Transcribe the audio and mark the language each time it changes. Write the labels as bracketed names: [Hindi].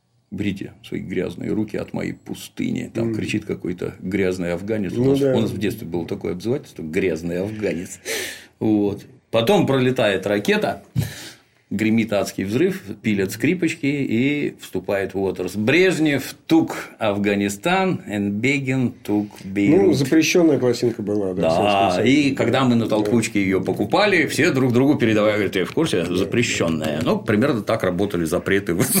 [Russian] Брите свои грязные руки от моей пустыни. Там кричит какой-то грязный афганец. У нас в детстве было такое обзывательство – грязный афганец. Вот. Потом пролетает ракета, гремит адский взрыв, пилят скрипочки и вступает Уотерс. [English] Брежнев took Афганистан, and Begin took Beirut. [Russian] Ну, запрещенная пластинка была. Да, и когда мы на толкучке ее покупали, все друг другу передавали, говорят, я в курсе, запрещенная. Ну, примерно так работали запреты.